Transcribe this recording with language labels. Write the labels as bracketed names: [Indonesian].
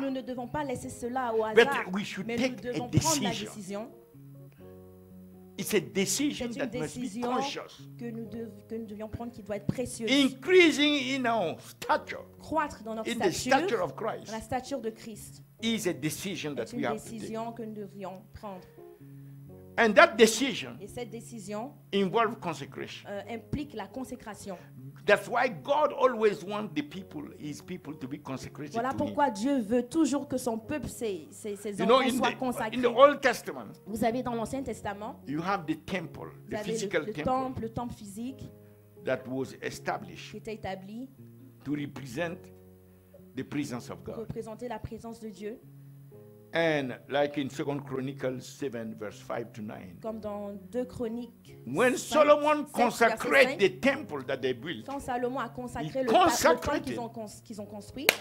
[French] Nous ne devons pas laisser cela au hasard. [English] But we should [French] mais [English] take [French] nous devons [English] a [French] prendre [English] decision. [French] La décision. [English] It's a decision [French] c'est une [English] that [French] décision [English] must be conscious. [French] Que nous devions prendre qui doit être précieuse. [English] Increasing in our stature. [French] Croître dans notre [English] in [French] stature. [English] In the stature of Christ. [French] Dans la stature de Christ. [English] is a decision that we have to take. [French] Que nous devrions prendre. [English] And that decision, [French] et cette décision [English] involve consecration. [French] Implique la consécration. [English] That's why God always wants the people, His people, to be consecrated. [French] Voilà [English] to [French] pourquoi [English] him. [French] Dieu veut toujours que son peuple, ses enfants, [English] you know, [French] soient consacrés. [English] In the Old Testament, [French] vous avez dans l'Ancien Testament, [English] you have the temple, the physical [French] temple, le temple physique, [English] that was established, [French] qui était établi, [English] to represent the presence of God. [French] Représenter la présence de Dieu. [English] And like in 2 Chronicles 7, verse 5 to 9. [French] Comme dans 2 Chroniques. [English] When Solomon consacrated the temple that they built. [French] Quand Salomon a consacré le temple qu'ils ont construit.